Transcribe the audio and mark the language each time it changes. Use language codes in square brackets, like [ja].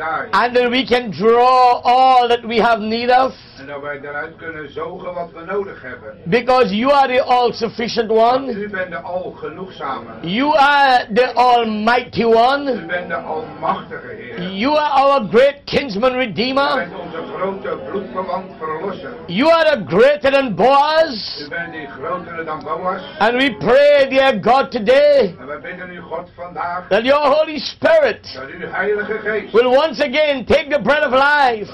[en] And that we can draw all that we have need of. [nl] En dat wij daaruit kunnen zogen wat we nodig hebben. [en] Because you are the all-sufficient one. [nl] U bent de algenoegzame. [en] You are the almighty one. [nl] U bent de almachtige Heer. [en] You are our great kinsman redeemer. [nl] U bent onze grote bloedverwant verlosser. [en] You are the greater than Boaz. [nl] U bent die grotere dan Boaz. [en] And we pray, dear God, today. [nl] En we bidden u, God, vandaag. [en] That your Holy Spirit. [nl] Dat uw Heilige Geest. [en] Will once again take the bread of life.